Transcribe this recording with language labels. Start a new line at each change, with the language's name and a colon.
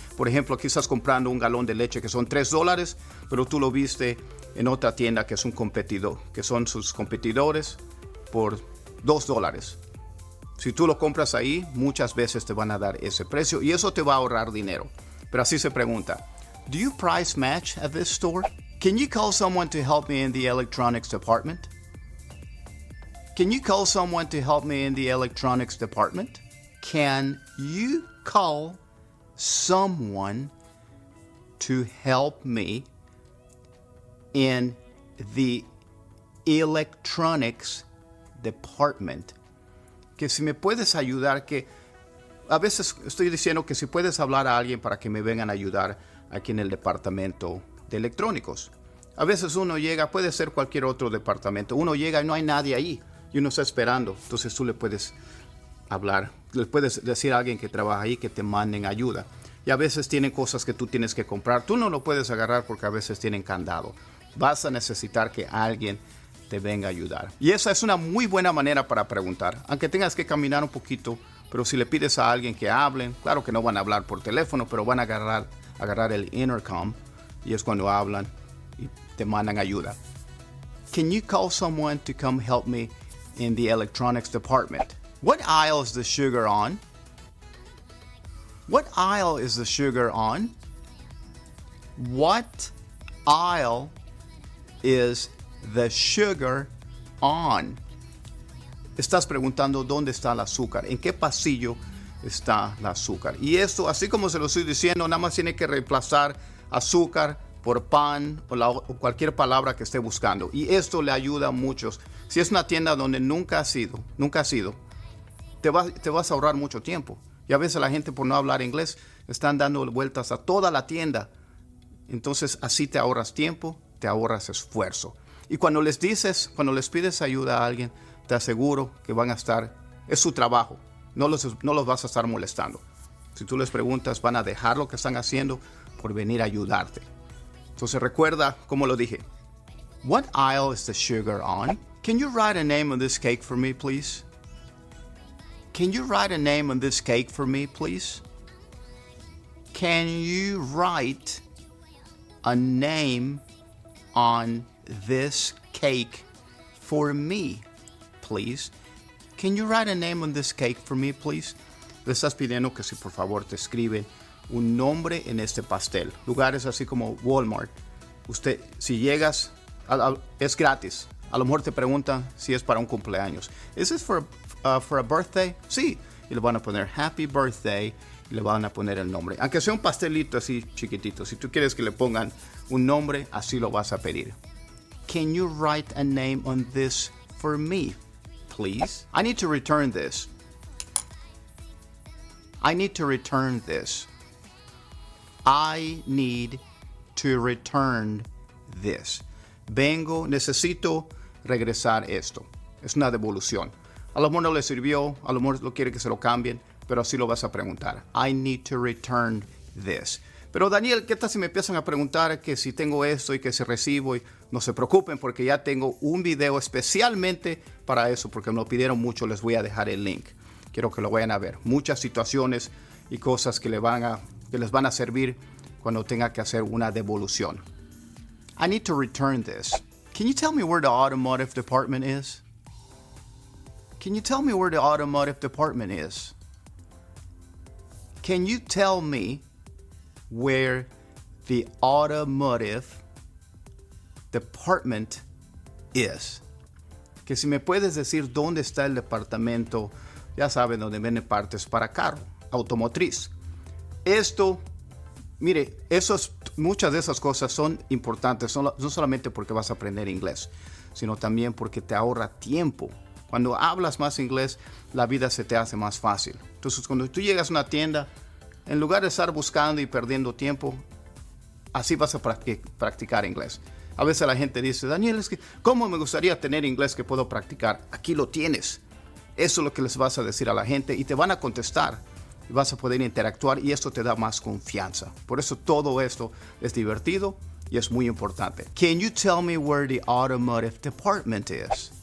Spanish: Por ejemplo, aquí estás comprando un galón de leche que son $3, pero tú lo viste en otra tienda que es un competidor, que son sus competidores por $2. Si tú lo compras ahí, muchas veces te van a dar ese precio y eso te va a ahorrar dinero. Pero así se pregunta,
English: do you price match at this store? Can you call someone to help me in the electronics department? Can you call someone to help me in the electronics department? Can you call someone to help me in the electronics department?
Spanish: Que si me puedes ayudar, que a veces estoy diciendo que si puedes hablar a alguien para que me vengan a ayudar aquí en el departamento de electrónicos. A veces uno llega, puede ser cualquier otro departamento, uno llega y no hay nadie ahí y uno está esperando. Entonces tú le puedes hablar, le puedes decir a alguien que trabaja ahí que te manden ayuda. Y a veces tienen cosas que tú tienes que comprar. Tú no lo puedes agarrar porque a veces tienen candado. Vas a necesitar que alguien te venga a ayudar. Y esa es una muy buena manera para preguntar. Aunque tengas que caminar un poquito, pero si le pides a alguien que hablen, claro que no van a hablar por teléfono, pero van a agarrar el intercom y es cuando hablan y te mandan ayuda.
English: Can you call someone to come help me in the electronics department? What aisle is the sugar on? What aisle is the sugar on? What aisle is the sugar on?
Spanish: Estás preguntando dónde está el azúcar, en qué pasillo está el azúcar. Y esto, así como se lo estoy diciendo, nada más tiene que reemplazar azúcar por pan o cualquier palabra que esté buscando. Y esto le ayuda a muchos. Si es una tienda donde nunca has ido, te vas a ahorrar mucho tiempo. Y a veces la gente por no hablar inglés están dando vueltas a toda la tienda. Entonces así te ahorras tiempo, te ahorras esfuerzo. Y cuando les pides ayuda a alguien, te aseguro que van a estar, es su trabajo. No los vas a estar molestando. Si tú les preguntas, van a dejar lo que están haciendo por venir a ayudarte. Entonces recuerda como lo dije.
English: What aisle is the sugar on? Can you write a name on this cake for me, please? Can you write a name on this cake for me, please? Can you write a name on this cake for me, please? Can you write a name on this cake for me, please?
Spanish: Le estás pidiendo que si por favor te escribe un nombre en este pastel. Lugares así como Walmart. Usted, si llegas, es gratis. A lo mejor te preguntan si es para un cumpleaños.
English: Is this for a birthday?
Spanish: Sí. Y le van a poner happy birthday y le van a poner el nombre. Aunque sea un pastelito así chiquitito, si tú quieres que le pongan un nombre, así lo vas a pedir.
English: Can you write a name on this for me, please? I need to return this. I need to return this. I need to return this.
Spanish: Vengo, necesito regresar esto. Es una devolución. A lo mejor no le sirvió, a lo mejor lo quiere que se lo cambien, pero así lo vas a preguntar.
English: I need to return this.
Spanish: Pero Daniel, ¿qué tal si me empiezan a preguntar que si tengo esto y que si recibo? Y no se preocupen porque ya tengo un video especialmente para eso, porque me lo pidieron mucho, les voy a dejar el link. Quiero que lo vayan a ver. Muchas situaciones y cosas que les van a servir cuando tenga que hacer una devolución.
English: I need to return this. Can you tell me where the automotive department is? Can you tell me where the automotive department is? Can you tell me where the automotive department is?
Spanish: Que si me puedes decir dónde está el departamento, ya saben, donde venden partes para carro, automotriz. Esto, mire, muchas de esas cosas son importantes, no solamente porque vas a aprender inglés, sino también porque te ahorra tiempo. Cuando hablas más inglés, la vida se te hace más fácil. Entonces, cuando tú llegas a una tienda, en lugar de estar buscando y perdiendo tiempo, así vas a practicar inglés. A veces la gente dice, Daniel, es que ¿cómo me gustaría tener inglés que puedo practicar? Aquí lo tienes. Eso es lo que les vas a decir a la gente y te van a contestar. Y vas a poder interactuar y esto te da más confianza. Por eso todo esto es divertido y es muy importante.
English: Can you tell me where the automotive department is?